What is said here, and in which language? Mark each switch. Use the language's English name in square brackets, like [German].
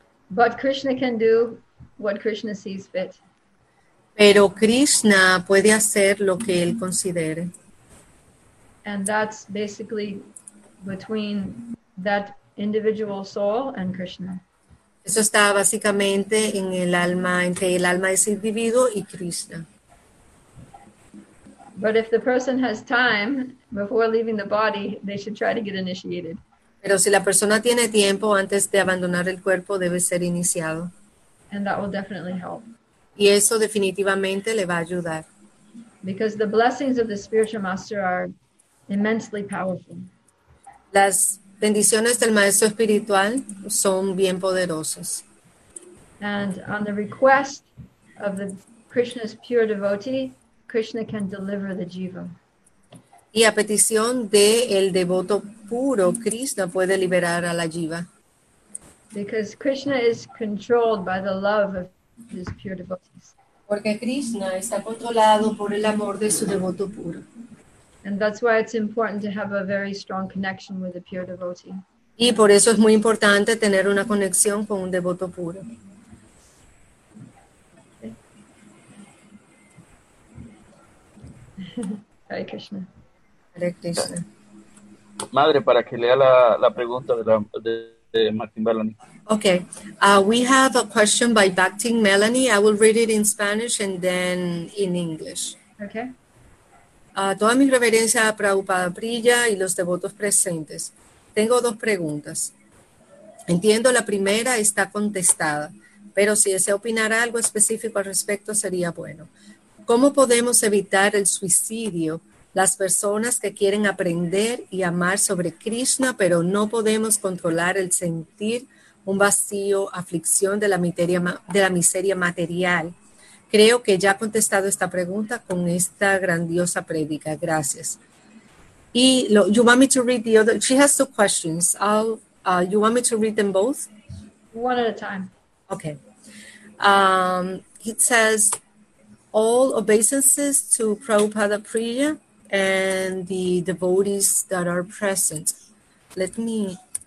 [English] But Krishna can do what Krishna sees fit. [Spanish] Pero Krishna puede hacer lo que él considere. [English] And that's basically between that individual soul and Krishna. [Spanish] Eso está básicamente en el alma, entre el alma de ese individuo y Krishna. [English] But if the person has time before leaving the body, they should try to get initiated. [Spanish] Pero si la persona tiene tiempo antes de abandonar el cuerpo, debe ser iniciado. [English] And that will definitely help. [Spanish] Y eso definitivamente le va a ayudar. [English] Because the blessings of the spiritual master are immensely powerful. [Spanish] Las bendiciones del maestro espiritual son bien poderosas. [English] And on the request of the Krishna's pure devotee, Krishna can deliver the jiva. [Spanish] Y a petición del devoto puro, Krishna puede liberar a la jiva. [English] Because Krishna is controlled by the love of his pure devotees. [Spanish] Porque Krishna está controlado por el amor de su devoto puro. [English] And that's why it's important to have a very strong connection with a pure devotee. [Spanish] Y por eso es muy importante tener una conexión con un devoto puro. [English] Hare Krishna. Hare Krishna. [Spanish] Madre, para que lea la pregunta de Martin Bellamy. [English] Okay, we have a question by Bhakti Melanie. I will read it in Spanish and then in English. Okay. [Spanish] A toda mi reverencia a Prabhupada Priya y los devotos presentes. Tengo dos preguntas. Entiendo la primera está contestada, pero si desea opinar algo específico al respecto sería bueno. ¿Cómo podemos evitar el suicidio las personas que quieren aprender y amar sobre Krishna, pero no podemos controlar el sentir un vacío, aflicción de la miseria material? Creo que ya ha contestado esta pregunta con esta grandiosa prédica. Gracias. [English] Y you want me to read the other? She has two questions. You want me to read them both? One at a time. Okay. It says, all obeisances to Prabhupada Priya and the devotees that are present. Let me.